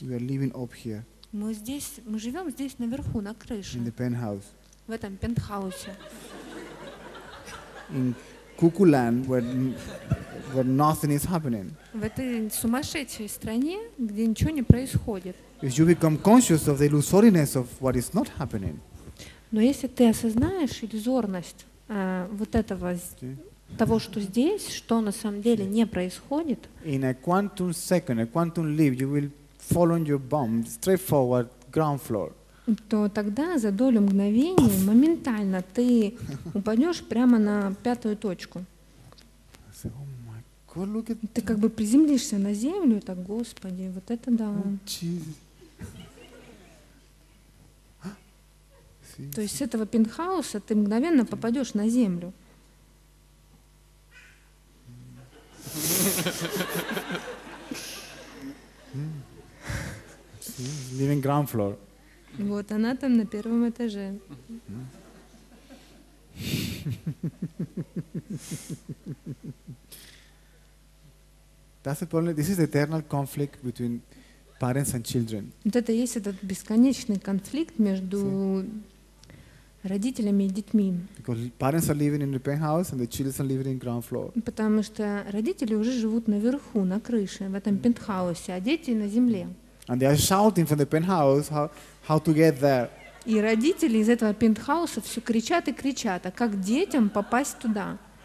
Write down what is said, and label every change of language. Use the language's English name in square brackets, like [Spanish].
[English] We are living up here. [Russian] Мы здесь, мы живем здесь наверху, на крыше. [English] In the penthouse. [Russian] В этом пентхаусе. [English] In Cuckooland, where nothing is happening. [Russian] В этой сумасшедшей стране, где ничего не происходит. [English] If you become conscious of the illusoriness of what is not happening. [Russian] Но если ты осознаешь иллюзорность вот этого, того, что здесь, что на самом деле не происходит, [English] in a quantum second, a quantum leap, you will fall on your bum, straightforward, ground floor. [Russian] То тогда за долю мгновения моментально ты упадешь прямо на пятую точку. [English] I say, oh my God, look at [Russian] ты как бы приземлишься на землю, и так, Господи, вот это да. Oh, то есть с этого пентхауса ты мгновенно попадешь на землю. [English] Living ground floor. [Russian] Вот она там на первом этаже. [English] That's the problem. This is the eternal conflict between parents and children. [Russian] Вот это есть этот бесконечный конфликт между родителями и детьми. [English] Because parents are living in the penthouse and the children are living in ground floor. [Russian] Потому что родители уже живут наверху, на крыше, в этом пентхаусе, а дети на земле. [English] And they are shouting from the penthouse how to get there. [Russian] И родители из этого пентхауса все кричат и кричат, а как детям попасть туда?